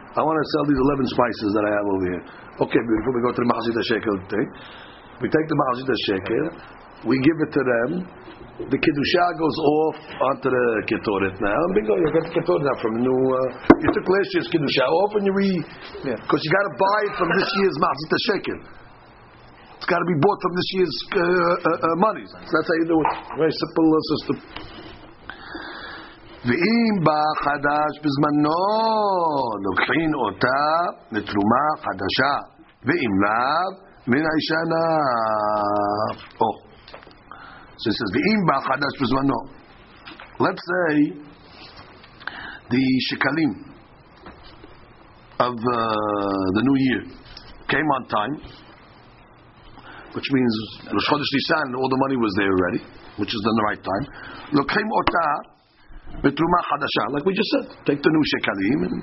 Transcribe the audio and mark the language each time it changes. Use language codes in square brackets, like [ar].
[en] I want to sell these 11 spices that I have over here. Okay, before we go to the Mahazit HaShekel thing, we take the Mahazit HaShekel, we give it to them, the Kiddushah goes off onto the ketoret now. Bingo, you get the ketoret now from the new. You took last year's Kiddushah off and you re. Because yeah. You got to buy it from this year's Mahazit HaShekel. It's got to be bought from this year's money. So that's how you do it. Very simple system. [he] ואם בא חדש בזמנו לוקחין אותה לתרומה חדשה ואם לאו מן הישנה oh. [en] So it says [he] ואם בא חדש בזמנו [en] let's say the shekalim of the new year came on time which means Rosh Chodesh Nisan all the money was there already which is the right time [he] לוקחין אותה בתרומה חדשה, [en] like we just said, take the new shekalim.